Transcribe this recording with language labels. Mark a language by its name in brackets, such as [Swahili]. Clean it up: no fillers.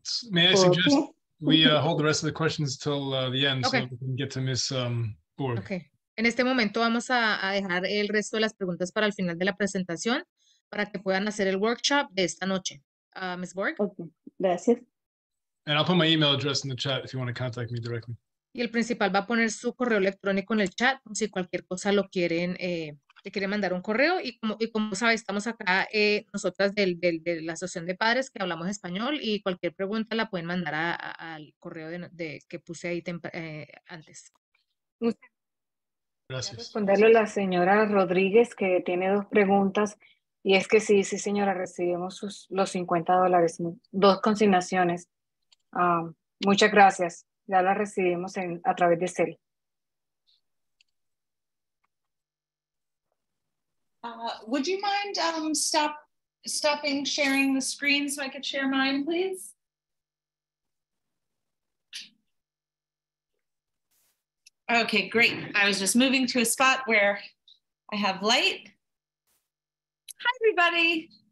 [English] May I suggest we hold the rest of the questions till the end, okay, so we can get to Ms. Borg. Okay. [Spanish] En este momento vamos a dejar el resto de las preguntas para el final de la presentación para que puedan hacer el workshop de esta noche. [English] Ms. Borg. [Spanish] Okay. Gracias. [English] And I'll put my email address in the chat if you want to contact me directly. [Spanish] Y el principal va a poner su correo electrónico en el chat si cualquier cosa lo quieren, le quieren mandar un correo. Y como sabe, estamos acá nosotras de la Asociación de Padres que hablamos español y cualquier pregunta la pueden mandar al correo de que puse ahí antes. Gracias. Responderle a la señora Rodríguez que tiene dos preguntas y es que sí señora, recibimos los $50, dos consignaciones. Muchas gracias, ya la recibimos a través de Cel. [English] Would you mind stopping sharing the screen so I could share mine, please? Okay, great. I was just moving to a spot where I have light. Hi, everybody.